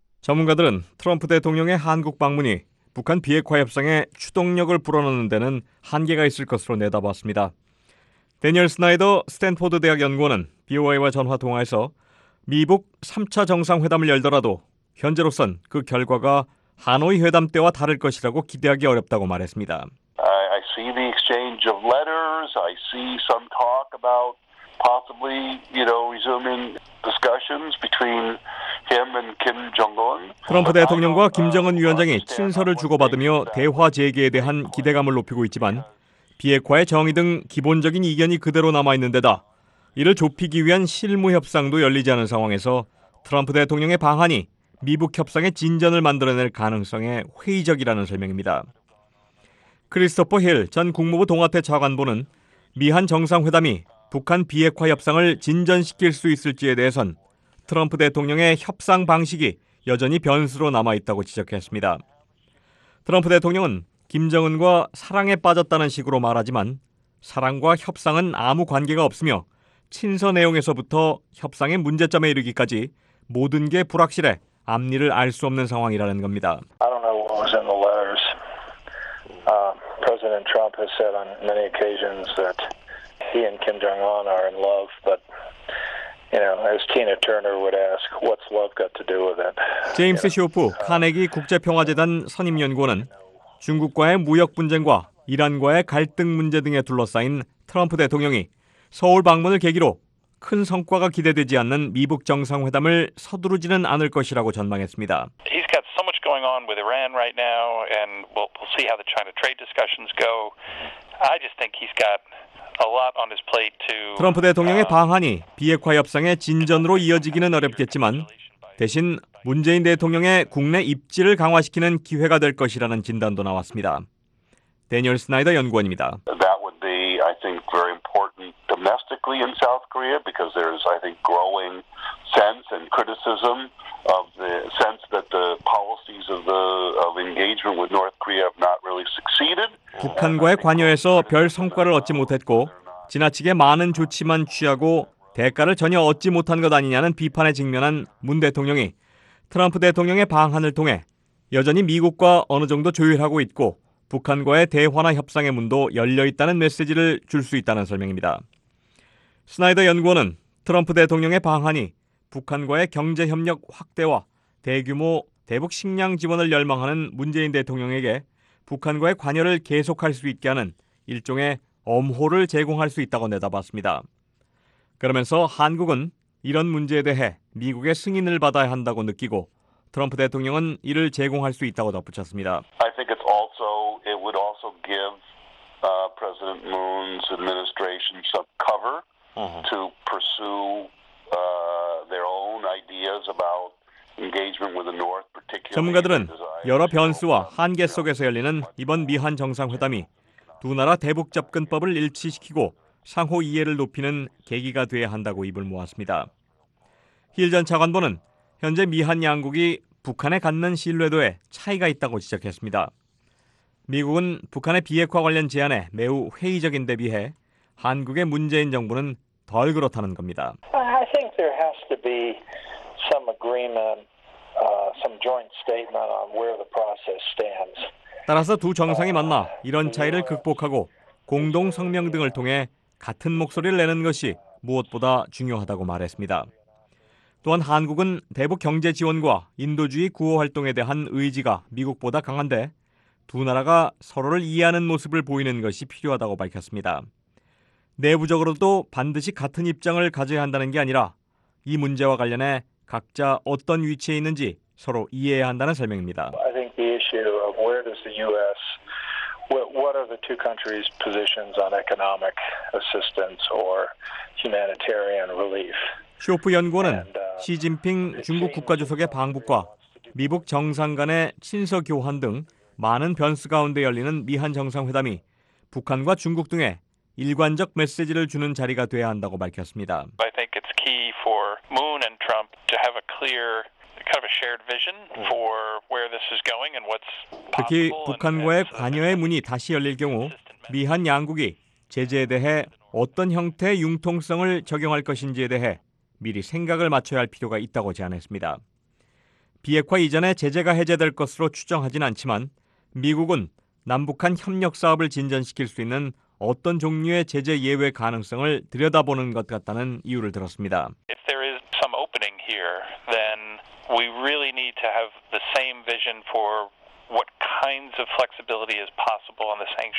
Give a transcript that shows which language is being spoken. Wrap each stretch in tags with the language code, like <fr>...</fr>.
<ko>전문가들은 트럼프 대통령의 한국 방문이 북한 비핵화 협상에 추동력을 불어넣는 데는 한계가 있을 것으로 내다봤습니다. 대니얼 스나이더 스탠포드 대학 연구원은 BOI와 전화 통화에서 미북 3차 정상회담을 열더라도 현재로선 그 결과가 하노이 회담 때와 다를 것이라고 기대하기 어렵다고 말했습니다.</ko> <en>I see the exchange of letters. I see some talk about possibly, you know, resuming discussions between him and Kim Jong-un.</en> <ko>트럼프 대통령과 김정은 위원장이 친서를 주고받으며 대화 재개에 대한 기대감을 높이고 있지만 비핵화의 정의 등 기본적인 이견이 그대로 남아 있는 데다 이를 좁히기 위한 실무 협상도 열리지 않은 상황에서 트럼프 대통령의 방한이 미북 협상의 진전을 만들어낼 가능성에 회의적이라는 설명입니다. 크리스토퍼 힐 전 국무부 동아태 차관보는 미한 정상회담이 북한 비핵화 협상을 진전시킬 수 있을지에 대해선 트럼프 대통령의 협상 방식이 여전히 변수로 남아있다고 지적했습니다. 트럼프 대통령은 김정은과 사랑에 빠졌다는 식으로 말하지만 사랑과 협상은 아무 관계가 없으며 친서 내용에서부터 협상의 문제점에 이르기까지 모든 게 불확실해 앞니를 알 수 없는 상황이라는 겁니다.</ko> <en>I don't know what was in the letters. President Trump has said on many occasions that he and Kim Jong-un are in love, but you know, as Tina Turner would ask, what's love got to do with it?</en> <ko>제임스 쇼프 카네기 국제평화재단 선임 연구원은 중국과의 무역 분쟁과 이란과의 갈등 문제 등에 둘러싸인 트럼프 대통령이 서울 방문을 계기로 큰 성과가 기대되지 않는 미북 정상회담을 서두르지는 않을 것이라고 전망했습니다.</ko> <en>He's got so much going on with Iran right now and we'll see how the China trade discussions go. I just think he's got a lot on his plate to</en> <ko>트럼프 대통령의 방한이 비핵화 협상의 진전으로 이어지기는 어렵겠지만 대신 문재인 대통령의 국내 입지를 강화시키는 기회가 될 것이라는 진단도 나왔습니다. 대니얼 스나이더 연구원입니다.</ko> <en>That would be I think very domestically in South Korea because there's I think growing sense and criticism of the sense that the policies of the of engagement with North Korea have not really succeeded.</en> <ko>북한과의 관여에서 별 성과를 얻지 못했고 지나치게 많은 조치만 취하고 대가를 전혀 얻지 못한 것 아니냐는 비판에 직면한 문 대통령이 트럼프 대통령의 방한을 통해 여전히 미국과 어느 정도 조율하고 있고 북한과의 대화나 협상의 문도 열려있다는 메시지를 줄 수 있다는 설명입니다. 스나이더 연구원은 트럼프 대통령의 방한이 북한과의 경제협력 확대와 대규모 대북 식량 지원을 열망하는 문재인 대통령에게 북한과의 관여를 계속할 수 있게 하는 일종의 엄호를 제공할 수 있다고 내다봤습니다. 그러면서 한국은 이런 문제에 대해 미국의 승인을 받아야 한다고 느끼고 트럼프 대통령은 이를 제공할 수 있다고 덧붙였습니다.</ko> <en>I think it's also, it would also give President Moon's administration some cover to pursue their own ideas about engagement with the North, particularly.</en> <ko>전문가들은 여러 변수와 한계 속에서 열리는 이번 미한 정상회담이 두 나라 대북 접근법을 일치시키고 상호 이해를 높이는 계기가 돼야 한다고 입을 모았습니다. 힐 전 차관보는 현재 미한 양국이 북한에 갖는 신뢰도에 차이가 있다고 지적했습니다. 미국은 북한의 비핵화 관련 제안에 매우 회의적인 데 비해 한국의 문재인 정부는 덜 그렇다는 겁니다.</ko> <en>I think there has to be some agreement, some joint statement on where the process stands.</en> <ko>따라서 두 정상이 만나 이런 차이를 극복하고 공동 성명 등을 통해 같은 목소리를 내는 것이 무엇보다 중요하다고 말했습니다. 또한 한국은 대북 경제 지원과 인도주의 구호 활동에 대한 의지가 미국보다 강한데 두 나라가 서로를 이해하는 모습을 보이는 것이 필요하다고 밝혔습니다. 내부적으로도 반드시 같은 입장을 가져야 한다는 게 아니라 이 문제와 관련해 각자 어떤 위치에 있는지 서로 이해해야 한다는 설명입니다.</ko> <en>I think the issue of where does the U.S. What are the two countries' positions on economic assistance or humanitarian relief?</en> <ko>쇼프 연구원은 시진핑 중국 국가주석의 방북과 미북 정상 간의 친서 교환 등 많은 변수 가운데 열리는 미한 정상회담이 북한과 중국 등에 일관적 메시지를 주는 자리가 돼야 한다고 밝혔습니다.</ko> <en>I think it's key for Moon and Trump to have a clear kind of a shared vision for where this is going and what's possible.</en> <ko>특히 북한과의 관여의 문이 다시 열릴 경우 미한 양국이 제재에 대해 어떤 형태의 융통성을 적용할 것인지에 대해 미리 생각을 맞춰야 할 필요가 있다고 제안했습니다. 비핵화 이전에 제재가 해제될 것으로 추정하진 않지만 미국은 남북한 협력 사업을 진전시킬 수 있는 어떤 종류의 제재 예외 가능성을 들여다보는 것 같다는 이유를 들었습니다.</ko> <en>If there is some opening here, then we really need to have the same vision for what kinds of flexibility is possible on the sanctions.</en>